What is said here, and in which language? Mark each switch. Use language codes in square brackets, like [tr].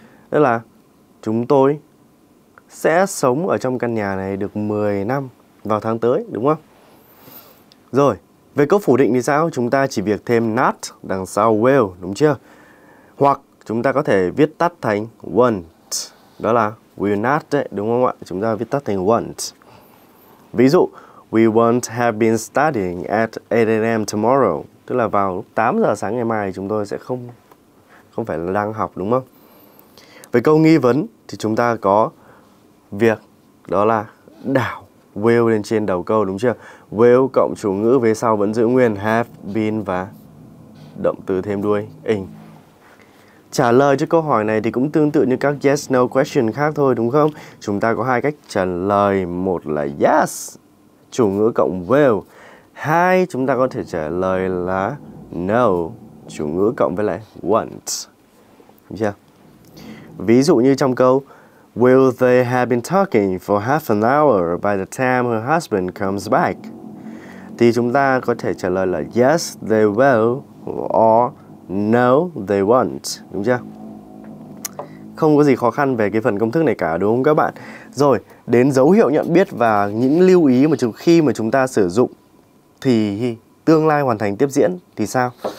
[vi] Tức là chúng tôi sẽ sống ở trong căn nhà này được 10 năm vào tháng tới, đúng không? Rồi, về câu phủ định thì sao? Chúng ta chỉ việc thêm not đằng sau will, đúng chưa? Hoặc chúng ta có thể viết tắt thành won't. Đó là will not đấy, đúng không ạ? Chúng ta viết tắt thành won't. Ví dụ, [en] we won't have been studying at 8 a.m. tomorrow. [vi] Tức là vào lúc 8 giờ sáng ngày mai chúng tôi sẽ không phải là đang học, đúng không? Về câu nghi vấn thì chúng ta có việc đó là đảo will lên trên đầu câu, đúng chưa? Will cộng chủ ngữ về sau vẫn giữ nguyên have been và động từ thêm đuôi in. Trả lời cho câu hỏi này thì cũng tương tự như các yes no question khác thôi, đúng không? Chúng ta có hai cách trả lời, một là yes chủ ngữ cộng will, hai chúng ta có thể trả lời là no chủ ngữ cộng với lại won't. Đúng chưa? [en] Ví dụ như trong câu will they have been talking for half an hour by the time her husband comes back? Thì chúng ta có thể trả lời là yes, they will, or no, they won't. Đúng chưa? [vi] Không có gì khó khăn về cái phần công thức này cả, đúng không các bạn? Rồi, đến dấu hiệu nhận biết và những lưu ý mà khi mà chúng ta sử dụng thì tương lai hoàn thành tiếp diễn thì sao?